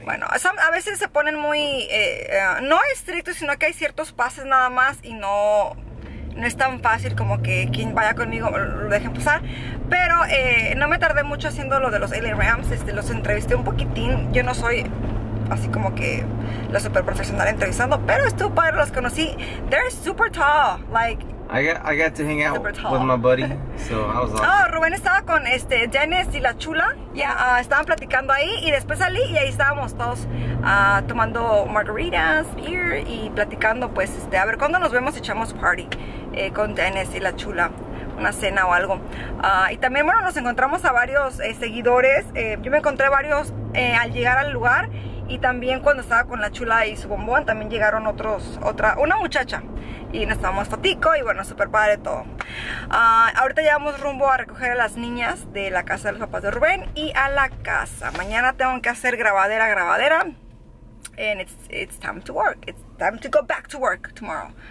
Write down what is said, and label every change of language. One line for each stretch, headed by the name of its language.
Spanish: Bueno, a veces se ponen muy, no estrictos, sino que hay ciertos pases nada más y no... No es tan fácil como que quien vaya conmigo lo dejen pasar. Pero no me tardé mucho haciendo lo de los LA Rams. Los entrevisté un poquitín. Yo no soy así como que la super profesional entrevistando. Pero estuvo padre, los conocí.
English: They're super tall. Like, I got to hang out with my buddy. So I was awesome.
Spanish: Oh, Rubén estaba con Dennis y la chula. Estaban platicando ahí. Y después salí y ahí estábamos todos tomando margaritas, beer y platicando. Pues a ver cuándo nos vemos, echamos party. Con Dennis y la chula, una cena o algo. Y también, bueno, nos encontramos a varios seguidores. Yo me encontré varios al llegar al lugar. Y también cuando estaba con la chula y su bombón, también llegaron una muchacha. Y nos estábamos fotico y bueno, súper padre todo. Ahorita ya vamos rumbo a recoger a las niñas de la casa de los papás de Rubén y a la casa. Mañana tengo que hacer grabadera.
English: And it's time to work. It's time to go back to work tomorrow.